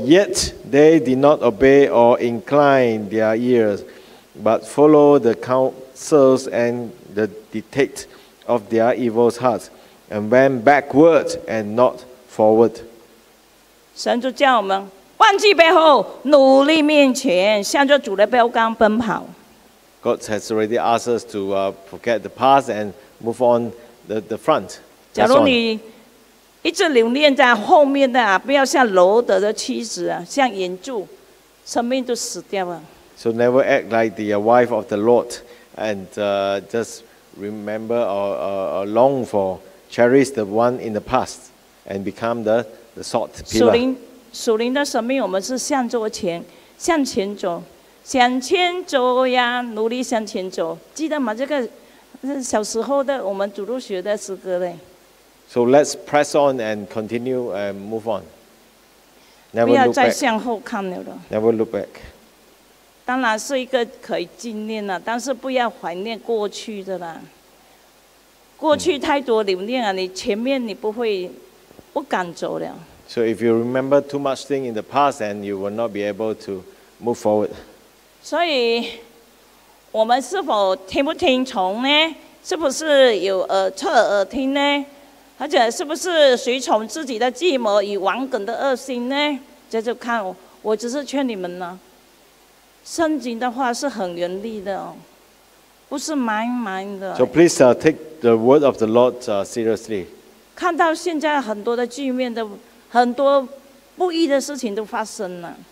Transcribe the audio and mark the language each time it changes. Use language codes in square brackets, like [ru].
[en] Yet they did not obey or incline their ears, but followed the counsels and the dictate. Of their evil hearts, and went backward and not forward. [zh] 神就叫我们忘记背后，努力面前，向着主的标杆奔跑。 [en] God has already asked us to forget the past and move on the front. [zh] 假如你一直留恋在后面的啊，不要像罗德的妻子啊，像眼柱，生命都死掉了。 [en] So never act like the wife of the Lord, and just. Remember or long for, cherish the one in the past, and become the salt pillar. [zh] 属灵的生命，我们是向着前走，向前走呀，努力向前走，记得吗？这个是小时候的我们主路学的诗歌嘞。 [en] So let's press on and continue and move on. Never [zh] 不要再向后看了。 [en] Never look back. [zh] 当然是一个可以纪念的，但是不要怀念过去的啦。过去太多留恋了，你前面你不会不敢走了。 [en] So if you remember too much thing in the past, then you will not be able to move forward. [zh] 所以我们是否听不听从呢？是不是有侧耳听呢？而且是不是随从自己的计谋与顽梗的恶心呢？这就看我只是劝你们呢。圣经的话是很严厉的，不是蛮蛮的。 [en] So please take the word of the Lord seriously. [zh] 看到现在很多的局面的很多不义的事情都发生了。